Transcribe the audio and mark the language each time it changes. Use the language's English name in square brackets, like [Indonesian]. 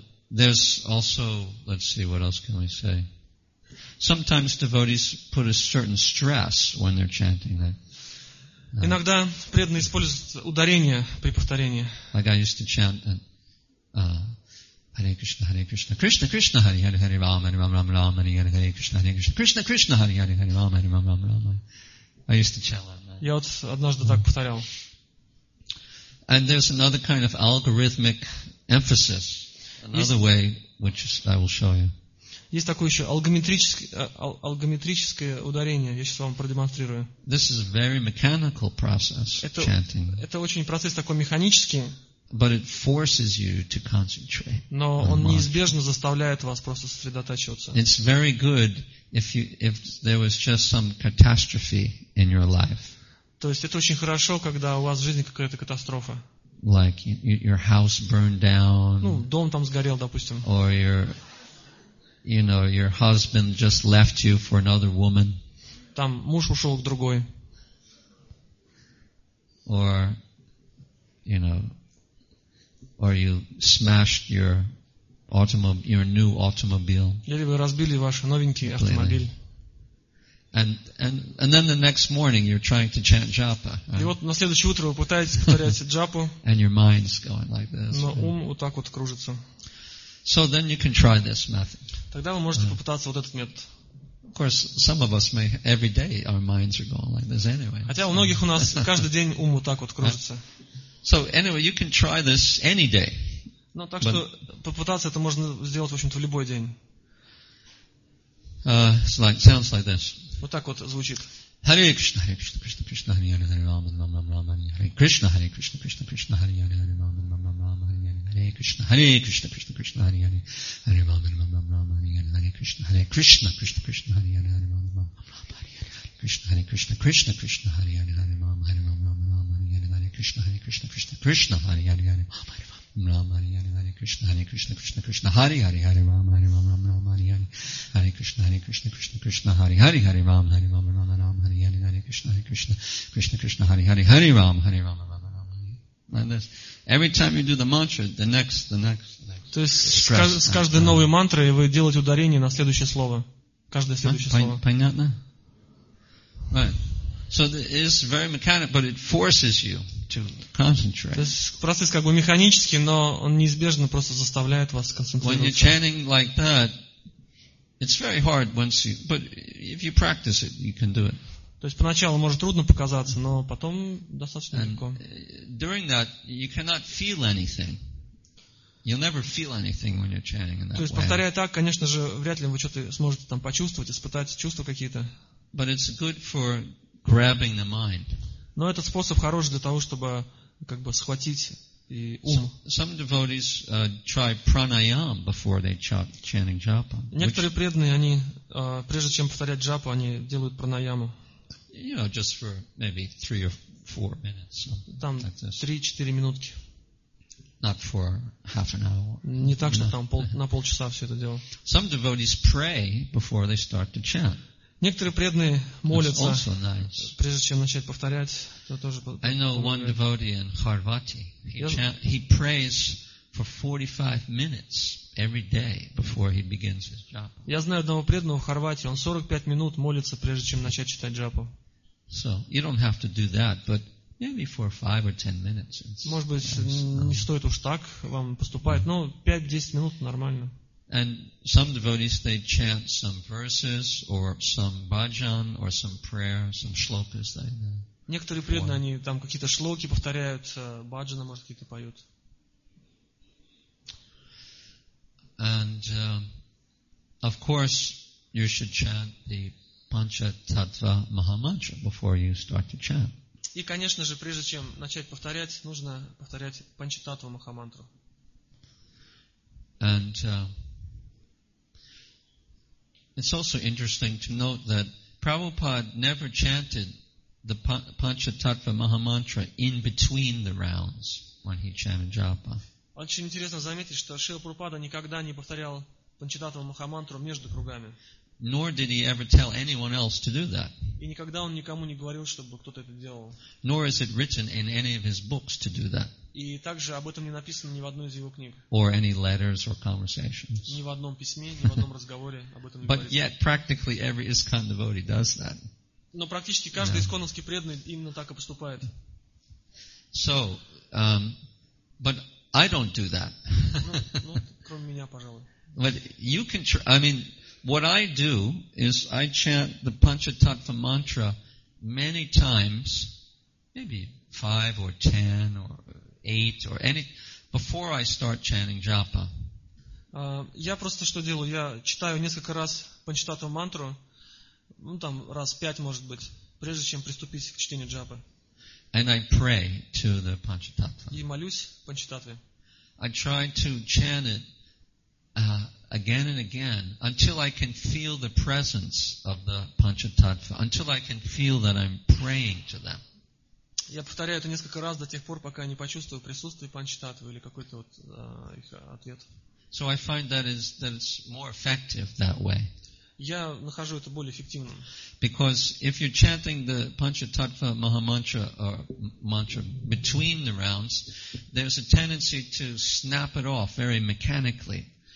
[English] There's also, let's see, what else can we say? Sometimes devotees put a certain stress when they're chanting that. [Russian] Иногда преданные используют ударение при повторении. [English] Like I used to chant that, Hare Krishna, Hare Krishna, Krishna Krishna, Hare Hare, Hare Rama, Hare Rama, Rama Rama, Hare Hare, Krishna Hare Krishna, Krishna Krishna, Hare Hare, Hare Rama, Hare Rama, Rama Rama. I used to chant like that. [Russian] Я вот однажды так повторял. [English] And there's another kind of algorithmic emphasis. Another way, which I will show you. [Russian] Есть такое еще алгометрическое ударение. Я сейчас вам продемонстрирую. [English] This is a very mechanical process. Chanting. [Russian] Это очень процесс такой механический. [English] But it forces you to concentrate. [Russian] Но он неизбежно заставляет вас просто сосредотачиваться. [English] It's very good if there was just some catastrophe in your life. [Russian] То есть это очень хорошо, когда у вас в жизни какая-то катастрофа. [English] Like your house burned down. [Russian] Ну, дом там сгорел, допустим. [English] Or your husband just left you for another woman. [Russian] Там муж ушел к другой. [English] Or you smashed your new automobile. [Russian] Или вы разбили ваш новенький автомобиль. [English] And then the next morning you're trying to chant japa. [Russian] И вот на следующее утро вы пытаетесь повторять джапу. [English] And your mind's going like this. [Russian] Но ум вот так вот кружится. [English] So then you can try this method. [Russian] Тогда вы можете попытаться вот этот метод. [English] Of course, some of us may every day our minds are going like this anyway. [Russian] Хотя у многих у нас каждый день ум вот так вот кружится. [English] So anyway, you can try this any day. [Russian] Но так что попытаться это можно сделать в общем-то в любой день. [English] Sounds like this. [Russian] Вот так вот звучит. [English] Hare Krishna, Hare Krishna, Krishna Krishna, Hare Hare, Hare Rama, Rama Rama, Rama Rama, Hare Krishna, Hare Krishna, Krishna Krishna, Hare Hare, Hare Rama, Rama Rama, Rama Rama, Hare Krishna, Hare Krishna, Krishna Krishna, Hare Hare, Hare Rama, Rama Rama, Rama Rama, Hare Krishna, Hare Krishna, Krishna Krishna, Hare Hare, Hare Rama, Rama Rama, Hare Krishna, Krishna Krishna, Hare Hare, Hare Rama, Hare Rama, Rama Rama, Hare Hare, Hare Krishna, Hare Krishna, Krishna Krishna, Hare Hare, Hare Rama, Hare Rama, Hare Hare, Krishna, Hare Krishna, Krishna Krishna, Hare Hare, Hare Rama, Hare Rama, Rama Rama, Hare Hare, Hare Krishna, Hare Krishna, Krishna Krishna, Hare Hare, Hare Rama, Hare Rama, Rama Rama, Hare Hare, Hare Krishna, Hare Krishna, Krishna Krishna, Hare Hare, Hare Rama, Hare Rama, Rama Rama. Like this. Every time you do the mantra, the next. [Russian] То есть с каждой новой мантрой вы делаете ударение на следующее слово. Каждое следующее слово. Понятно? Right. [English] So it's very mechanical, but it forces you to concentrate. [Russian] То есть процесс как бы механический, но он неизбежно просто заставляет вас концентрироваться. [English] When you're chanting like that, it's very hard once you, but if you practice it, you can do it. [Russian] То есть поначалу может трудно показаться, но потом достаточно легко. [English] During that, you cannot feel anything. You'll never feel anything when you're chanting in that way. [Russian] То есть повторяя так, конечно же, вряд ли вы что-то сможете там почувствовать, испытать чувства какие-то. [English] But it's good for grabbing the mind. [Russian] Но этот способ хорош для того, чтобы как бы схватить и ум. [English] Some devotees try pranayama before they chanting japa. [Russian] Некоторые преданные, они прежде чем повторять джапу, они делают пранаяму. [English] You know, just for maybe 3 or 4 minutes. [Russian] Там 3-4 минутки. [English] Not for half an hour. [Russian] Не так, что там на полчаса все это дело. [English] Some devotees pray before they start to chant. [Russian] Некоторые преданные молятся, прежде чем начать повторять, то тоже. [English] I know one devotee in Harvati. He prays for 45 minutes every day before he begins his japa. [Russian] Я знаю одного преданного в Хорватии. Он 45 минут молится, прежде чем начать читать джапу. [English] So you don't have to do that, but maybe for 5 or 10 minutes. [Russian] Может быть, не стоит уж так вам поступать, но 5-10 минут нормально. [English] And some devotees, they chant some verses or some bhajan or some prayer, some shlokas. [Russian] Некоторые преданные, они там какие-то шлоки повторяют, бхаджаны, может, какие-то поют. [English] And of course, you should chant the Pancha Tattva Mahamantra before you start to chant. [Russian] И, конечно же, прежде чем начать повторять, нужно повторять Панча Таттва Махамантру. [English] It's also interesting to note that Prabhupada never chanted the Panchatattva Mahamantra in between the rounds when he chanted japa. [Russian] Очень интересно заметить, что Шрила Прабхупада никогда не повторял Панчататва Махамантру между кругами. [English] Nor did he ever tell anyone else to do that. [Russian] И никогда он никому не говорил, чтобы кто-то это делал. [English] Nor is it written in any of his books to do that. [Russian] И также об этом не написано ни в одной из его книг. [English] Or any letters or conversations. [Russian] Ни в одном письме, ни в одном разговоре об этом не [English] But [Russian] говорится. [English] But yet, practically every ISKCON devotee does that. [Russian] Но практически каждый исконовский преданный именно так и поступает. [English] So, but I don't do that. [Russian] Кроме меня, пожалуй. [English] But you can try, I mean, what I do is I chant the Panchatattva mantra many times, maybe 5 or 10 or 8 or any, before I start chanting japa. [Russian] Я просто что делаю? Я читаю несколько раз Панчататву мантру, там раз 5, может быть, прежде чем приступить к чтению джапы. [English] And I pray to the Panchatattva. [Russian] И молюсь Панчататве. [English] I try to chant it again and again until I can feel the presence of the Panchatattva, until I can feel that I'm praying to them. [Russian] Я повторяю это несколько раз до тех пор, пока не почувствую присутствие Панчататвы или какой-то вот их ответ. [English] So I find that it's more effective that way. [Russian] Я нахожу это более эффективным. [English] Because if you're chanting the Panchatattva Mahamantra or mantra between the rounds, there's a tendency to snap it off very mechanically.